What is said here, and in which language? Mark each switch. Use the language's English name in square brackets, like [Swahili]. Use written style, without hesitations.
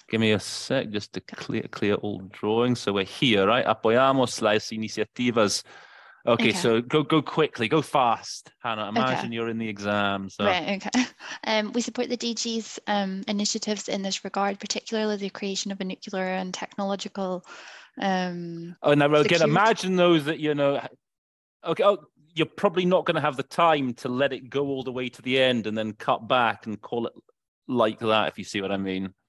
[English] Give me a sec just to clear all drawings. So we're here, right? [Spanish] Apoyamos las iniciativas. [English] Okay, so go quickly, go fast, Hannah. Imagine you're in the exam. So. Right, okay. We support the DG's initiatives in this regard, particularly the creation of a nuclear and technological Imagine though that, you know, okay, you're probably not going to have the time to let it go all the way to the end and then cut back and call it like that, if you see what I mean.